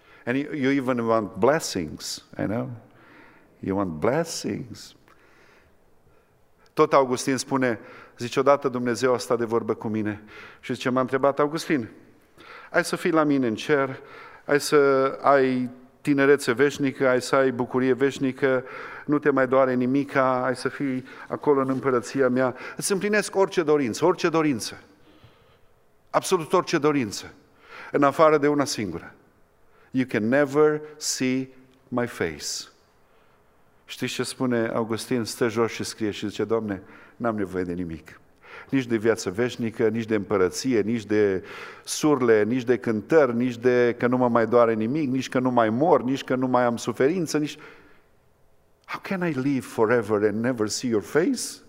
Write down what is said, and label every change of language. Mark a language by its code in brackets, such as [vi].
[en] And you even want blessings, you know? You want blessings. [ro] Tot Augustin spune, zice, odată Dumnezeu a stat de vorbă cu mine și zice, m-a întrebat, Augustin, ai să fii la mine în cer, ai să ai tinerețe veșnică, ai să ai bucurie veșnică, nu te mai doare nimica, ai să fii acolo în împărăția mea. Îți împlinesc orice dorință, orice dorință, absolut orice dorință, în afară de una singură. [en] You can never see my face. [ro] Știți ce spune Augustin? Stă jos și scrie și zice, Doamne, n-am nevoie de nimic. Nici de viață veșnică, nici de împărăție, nici de surle, nici de cântări, nici de că nu mă mai doare nimic, nici că nu mai mor, nici că nu mai am suferință, nici... [en] How can I live forever and never see your face?